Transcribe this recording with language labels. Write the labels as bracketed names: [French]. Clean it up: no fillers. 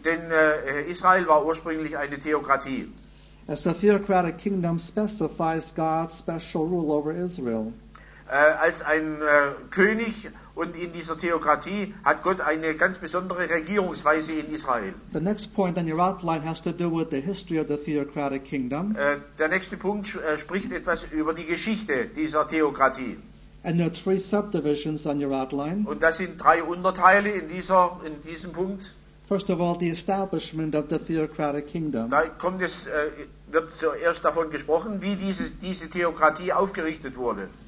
[German] Denn Israel war ursprünglich eine Theokratie. [English] As a theocratic kingdom specifies God's special rule over Israel. [German] Als ein König und in dieser Theokratie hat Gott eine ganz besondere Regierungsweise in Israel. [English] The next point on your outline has to do with the history of the theocratic kingdom. [German] Der nächste Punkt spricht etwas über die Geschichte dieser Theokratie. [English] And there are three subdivisions on your outline. [German] Und das sind drei Unterteile in diesem Punkt. [English] First of all, the establishment of the theocratic kingdom. [German] Da kommt es, wird zuerst davon gesprochen, wie diese Theokratie aufgerichtet wurde.